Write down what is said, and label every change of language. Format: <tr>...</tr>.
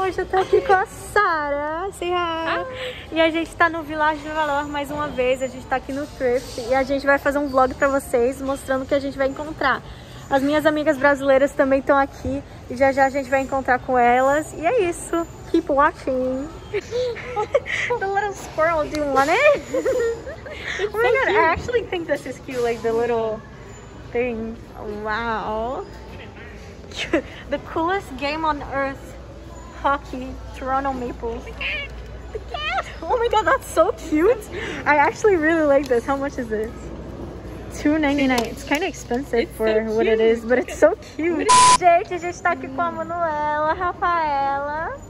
<pt>Hoje eu tô aqui com a Sara, e a gente tá no Village do Valor mais uma vez. A gente tá aqui no Thrift e a gente vai fazer um vlog pra vocês, mostrando o que a gente vai encontrar. As minhas amigas brasileiras também estão aqui e já já a gente vai encontrar com elas. E é isso!</pt> <en>Keep watching! The little squirrel, do you want it? Oh my god, I actually think this is cute, like the little thing. Wow! The coolest game on earth, hockey, Toronto Maples. The cat! Oh my god, that's so cute! I actually really like this. How much is this? $2.99. It's kind of expensive for what it is, but it's so cute.</en> <pt>Gente, a gente tá aqui com a Manuela, Rafaela.</pt>